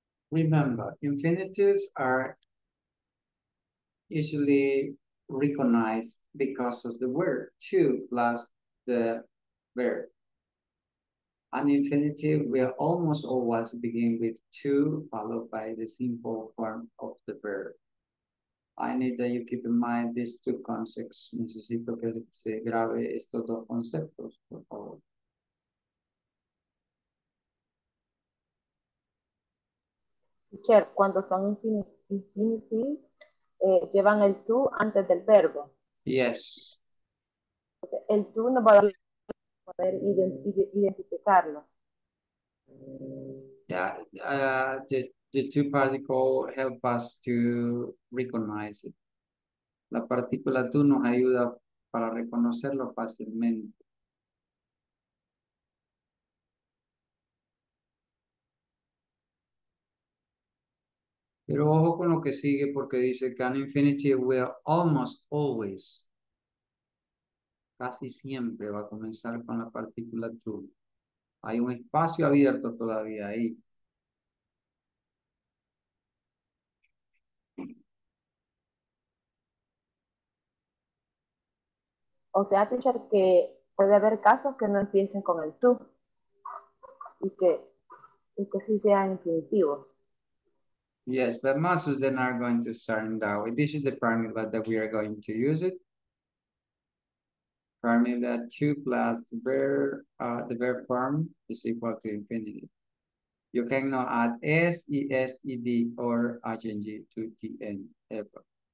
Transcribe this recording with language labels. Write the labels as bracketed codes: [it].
[en] Remember, infinitives are usually recognized because of the word to plus the verb. An infinitive will almost always begin with to followed by the simple form of the verb. I need that you keep in mind these two concepts. [es] Necesito que se grabe estos dos conceptos, por favor. Teacher, cuando son infinitive, llevan el to antes del verbo. [en] Yes. [es] Entonces, el to no va a poder identificarlo. [en] Yeah, the to particle help us to recognize it. [es] La partícula to nos ayuda para reconocerlo fácilmente. Pero ojo con lo que sigue porque dice que [en] an infinitive will almost always, [es] casi siempre va a comenzar con la partícula to. Hay un espacio abierto todavía ahí. O sea, teacher, que puede haber casos que no empiecen con el to y que sí sean infinitivos. [en] Yes, but most of them are going to start in that way. This is the formula that we are going to use it. Formula two plus verb, the verb form is equal to infinity. You cannot add S, E, S, E, D, or ing to the end ever.